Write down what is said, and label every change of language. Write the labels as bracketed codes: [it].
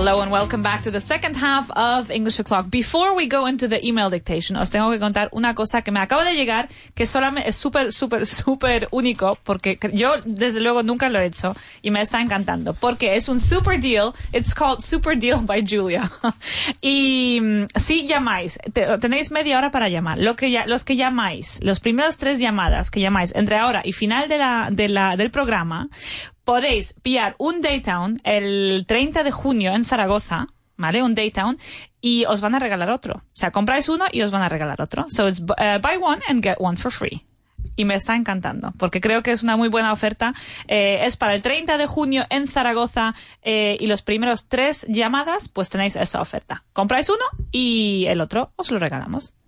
[en] Welcome back to the second half of English O'Clock. Before we go into the email dictation, [es] os tengo que contar una cosa que me acaba de llegar, que solamente es súper, súper, súper único, porque yo desde luego nunca lo he hecho y me está encantando, porque es un super deal. [en] It's called Super Deal by Julia. [es] Y si llamáis, tenéis media hora para llamar. Los que llamáis, los primeros tres llamadas que llamáis entre ahora y final del programa, podéis pillar un Daytown el 30 de junio en Zaragoza, ¿vale? Un Daytown, y os van a regalar otro. O sea, compráis uno y os van a regalar otro. [en] So it's buy one and get one for free. [es] Y me está encantando, porque creo que es una muy buena oferta. Es para el 30 de junio en Zaragoza, y los primeros tres llamadas, pues tenéis esa oferta. Compráis uno y el otro os lo regalamos.